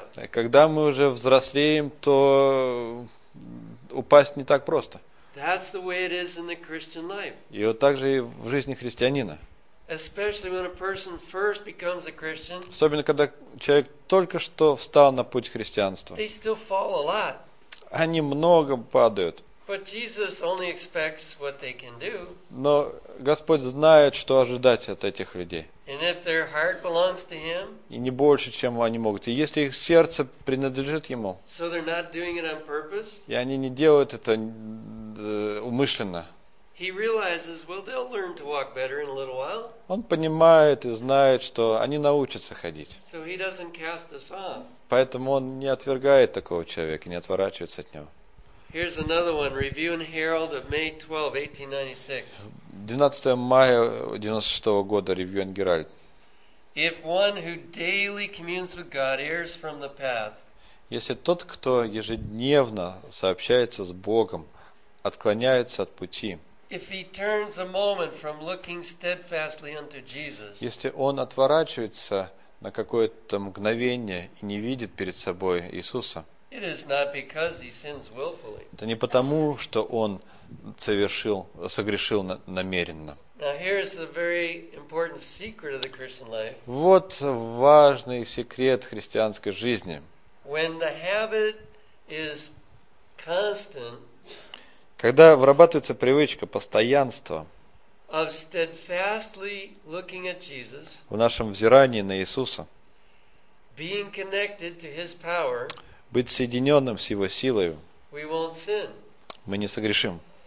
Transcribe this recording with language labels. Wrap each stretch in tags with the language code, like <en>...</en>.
<ru>Когда мы уже взрослеем, то упасть не так просто. И вот так же и в жизни христианина.</ru> <en>Especially when a person first becomes a Christian.</en> <ru>Особенно когда человек только что встал на путь христианства.</ru> <en>They still fall a lot.</en> <ru>Они много падают.</ru> <en>But Jesus only expects what they can do.</en> <ru>Но Господь знает, что ожидать от этих людей.</ru> <en>And if their heart belongs to Him.</en> <ru>И не больше, чем они могут. И если их сердце принадлежит Ему.</ru> <en>So they're not doing it on purpose.</en> <ru>И они не делают это умышленно.</ru> <en>He realizes, well, they'll learn to walk better in a little while.</en> <ru>Он понимает и знает, что они научатся ходить.</ru> <en>So he doesn't cast us off.</en> <ru>Поэтому он не отвергает такого человека, не отворачивается от него.</ru> <en>Here's another one, Review and Herald of May 12, 1896.</en> <ru>12 мая 1996 года, Review and Herald.</ru> <en>If one who daily communes with God errs from the path.</en> <ru>Если тот, кто ежедневно сообщается с Богом, отклоняется от пути.</ru> <en>If he turns a moment from looking steadfastly unto Jesus.</en> <ru>Если он отворачивается на какое-то мгновение и не видит перед собой Иисуса.</ru> <en>It is not because he sins willfully.</en> <ru>Это не потому, что он совершил, согрешил намеренно.</ru> <en>Now here's the very important secret of the Christian life.</en> <ru>Вот важный секрет христианской жизни.</ru> <en>When the habit is constant.</en> <ru>Когда вырабатывается привычка, постоянство в нашем взирании на Иисуса, быть соединенным с Его силой, мы не согрешим.</ru>